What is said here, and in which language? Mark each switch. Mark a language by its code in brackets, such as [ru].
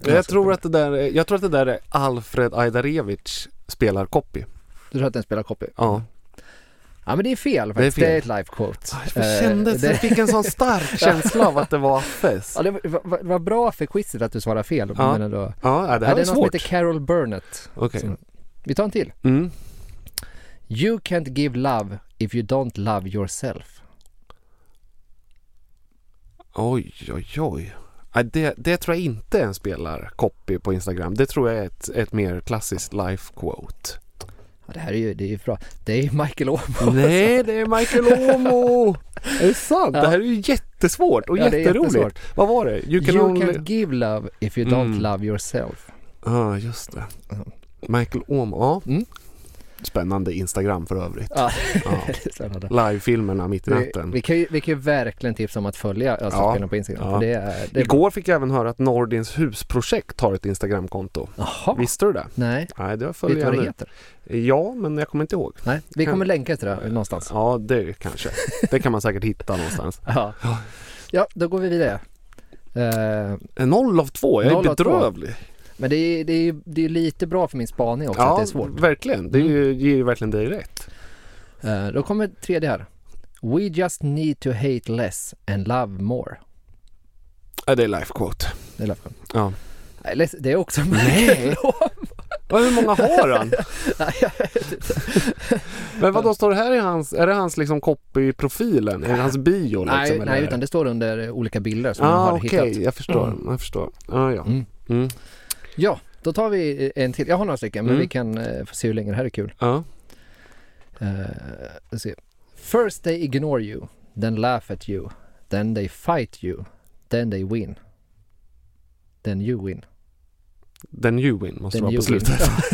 [sv] Jag tror att det där är Alfred Ajdarevic spelarkopi. Du tror att det är en spelarkopi? Ja. Ja, men det är fel faktiskt. Det är, ett live quote. Jag fick en sån stark känsla av att det var Affes. Ja, det var bra för quizet att du svarade fel. Ja, men ändå, ja det här är svårt. Det heter Carol Burnett. Okej. Okay. Vi tar en till. Mm. [en] You can't give love if you don't love yourself. [sv] Oj, oj, oj. Det tror jag inte en spelar copy på Instagram. Det tror jag är ett mer klassiskt life quote. Ja, det här är ju, det är ju bra. Det är Michael Omo. Nej, det är Michael Omo. Är det sant? Ja. Det här är ju jättesvårt och jätteroligt. Vad var det? [en] You can't give love if you don't love yourself. [sv] Ja, just det. Michael Omo. Ja. Mm. Spännande Instagram för övrigt. Ja. Ja. Live-filmerna mitt i natten. Vi kan ju verkligen tipsa om att följa spelarna på Instagram. Ja. För det är... Igår fick jag även höra att Nordins husprojekt har ett Instagramkonto. Aha. Visste du det? Nej. Nej, det var följande. Vet du vad det heter? Ja, men jag kommer inte ihåg. Nej, vi kommer länka till det någonstans. Ja, det kanske. Det kan man säkert hitta någonstans. Ja. Ja, då går vi vidare. 0 av 2, jag är bedrövlig. Men det är lite bra för min spaning också, ja, att det är svårt. Ja, verkligen. Det ger ju verkligen dig rätt. Då kommer tredje här. [en] We just need to hate less and love more. [sv] Ja, det är life quote. Det är life quote. Ja. Det är också Michael Omo. Hur många har han? Men vadå, står det här i hans, är det hans liksom copy-profilen? Är det hans bio? Liksom, nej, utan det står under olika bilder som han har [en] okay, [sv] hittat. Jag förstår. Mm. Jag förstår. Ja. Mm. Ja, då tar vi en till. Jag har några stycken, men vi kan få se hur länge det här är kul. Ja. [en] Let's see. First they ignore you, then laugh at you, then they fight you, then they win. Then you win. Then you win, [sv] måste vara på slutet.